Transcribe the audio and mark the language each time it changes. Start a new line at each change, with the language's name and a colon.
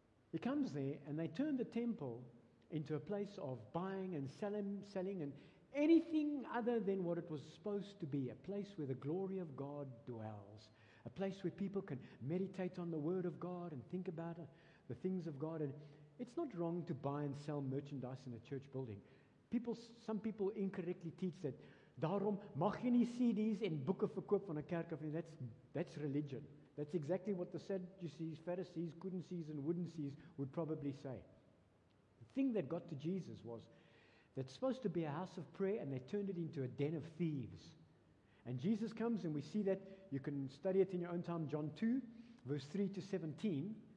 English: He comes there, and they turned the temple into a place of buying and selling and anything other than what it was supposed to be, a place where the glory of God dwells, a place where people can meditate on the Word of God and think about the things of God. And it's not wrong to buy and sell merchandise in a church building. Some people incorrectly teach that
Afrikaans: Daarom mag jy nie CDs en boeke verkoop van 'n kerk of nie.
English: That's religion. That's exactly what the Sadducees, Pharisees, Couldn'tsees and Wouldn'tsees would probably say. The thing that got to Jesus was that's supposed to be a house of prayer and they turned it into a den of thieves. And Jesus comes and we see that, you can study it in your own time, John 2, verse 3 to 17.